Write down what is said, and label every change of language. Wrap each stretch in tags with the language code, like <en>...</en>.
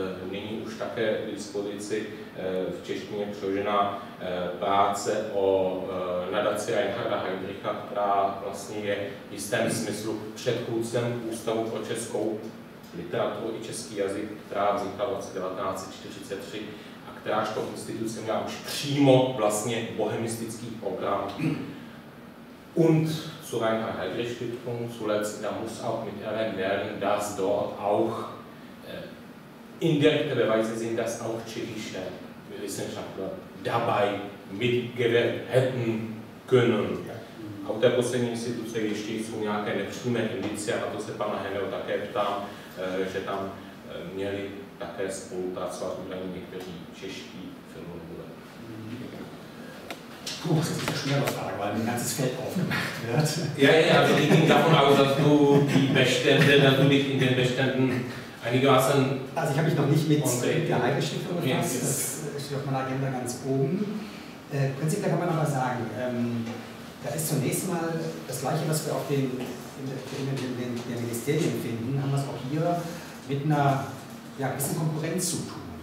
<cs>nyní už také k dispozici v češtině přeložená práce o nadaci Reinharda Heydricha, která vlastně je v jistém smyslu předchůdcem Ústavu pro českou literaturu i český jazyk, která vznikla v roce 1943 a kteráž to instituce měla už přímo vlastně bohemistický program.</cs> <de>Und zu Reinhard Heydrich Stiftung zuletzt, da muss auch mit erwähnt werden, dass dort auch indirekte Beweise sind, dass auch tschechische Wissenschaftler dabei mitgewirkt hätten können.</de> <cs>A u té poslední instituce ještě jsou nějaké nepřímé indicie, a to se pana Heneho také ptám, že tam měli také spolupracovat údajně někteří čeští filmové.</cs> <de>Das ist eine schwere Frage, weil ein ganzes Feld aufgemacht wird. Ja, ja, also ich ging davon aus, dass du die Bestände natürlich in den Beständen einigermaßen. Also ich habe mich noch nicht mit der Heydrich-Stiftung befasst, das steht auf meiner Agenda ganz oben. Prinzipiell kann man aber sagen, da ist zunächst mal das Gleiche, was wir auch in den Ministerien finden, haben wir es auch hier mit einer gewissen Konkurrenz zu tun.</de>